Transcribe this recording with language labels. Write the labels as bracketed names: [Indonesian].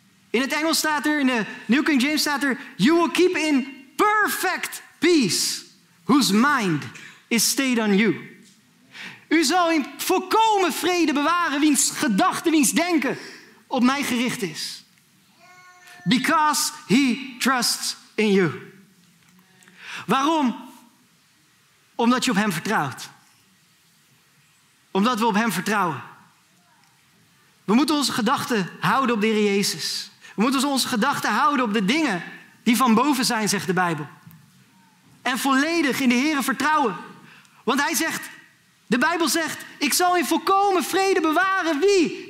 [Dutch] In het Engels staat er, in de New King James staat er, [English] you will keep in perfect peace whose mind is stayed on you. [Dutch] U zal in volkomen vrede bewaren wiens gedachten, wiens denken op mij gericht is. [English] Because he trusts in you. [Dutch] Waarom? Omdat je op hem vertrouwt. Omdat we op hem vertrouwen. We moeten onze gedachten houden op de Heer Jezus. We moeten onze gedachten houden op de dingen die van boven zijn, zegt de Bijbel. En volledig in de Heer vertrouwen. Want hij zegt, de Bijbel zegt, ik zal in volkomen vrede bewaren wie?